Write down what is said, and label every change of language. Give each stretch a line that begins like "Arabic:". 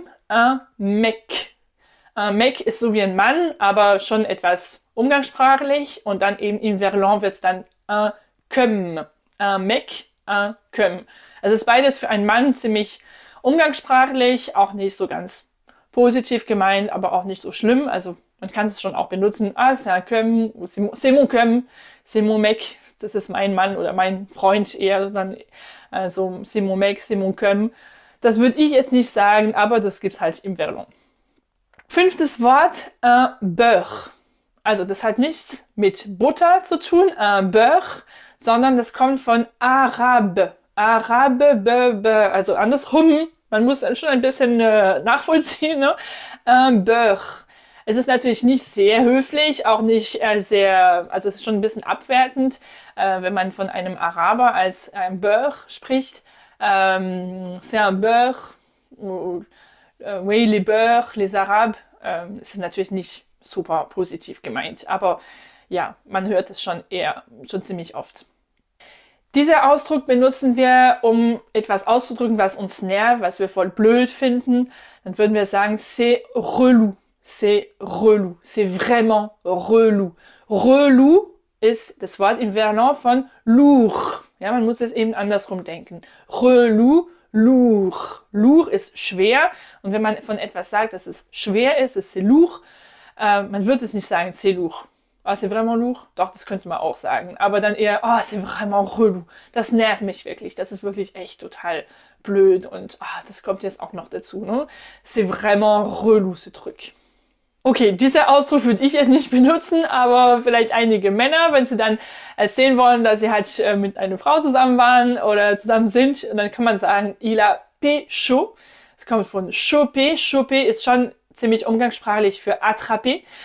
German: Un mec. Un mec ist so wie ein Mann, aber schon etwas umgangssprachlich. Und dann eben im Verlan wird es dann un comme. Un mec, un comme. Also es ist beides für einen Mann ziemlich umgangssprachlich, auch nicht so ganz positiv gemeint, aber auch nicht so schlimm. Also man kann es schon auch benutzen.
French: Ah, c'est un comme, c'est mon comme, c'est mon mec.
German: Das ist mein Mann oder mein Freund eher. Dann also,
French: c'est mon mec, c'est mon comme.
German: Das würde ich jetzt nicht sagen, aber das gibt es halt im Verlan. Fünftes Wort, un beurre. Also das hat nichts mit Butter zu tun, un beurre, sondern das kommt von arabe. Arabe, beurre, also andersrum, man muss schon ein bisschen nachvollziehen, ne? Beurre. Es ist natürlich nicht sehr höflich, auch nicht sehr, also es ist schon ein bisschen abwertend, wenn man von einem Araber als ein beurre spricht.
French: C'est un beurre, oui, les beurres, les arabes.
German: Es ist natürlich nicht super positiv gemeint, aber ja, man hört es schon eher, schon ziemlich oft. Dieser Ausdruck benutzen wir, um etwas auszudrücken, was uns nervt, was wir voll blöd finden. Dann würden wir sagen,
French: c'est relou, c'est relou, c'est vraiment relou.
German: Relou ist das Wort im Verlan von lourd. Ja, man muss es eben andersrum denken. Relou, lourd. Lourd ist schwer. Und wenn man von etwas sagt, dass es schwer ist, ist
French: c'est lourd,
German: man wird es nicht sagen, c'est lourd.
French: Ah, oh, c'est vraiment lourd?
German: Doch, das könnte man auch sagen. Aber dann eher, ah, oh,
French: c'est vraiment relou.
German: Das nervt mich wirklich. Das ist wirklich echt total blöd. Und ah, oh, das kommt jetzt auch noch dazu, ne?
French: C'est vraiment relou, ce truc.
German: Okay, dieser Ausdruck würde ich jetzt nicht benutzen, aber vielleicht einige Männer, wenn sie dann erzählen wollen, dass sie halt mit einer Frau zusammen waren oder zusammen sind. Und dann kann man sagen,
French: il a pécho.
German: Das kommt von choper. Choper ist schon ziemlich umgangssprachlich für attraper.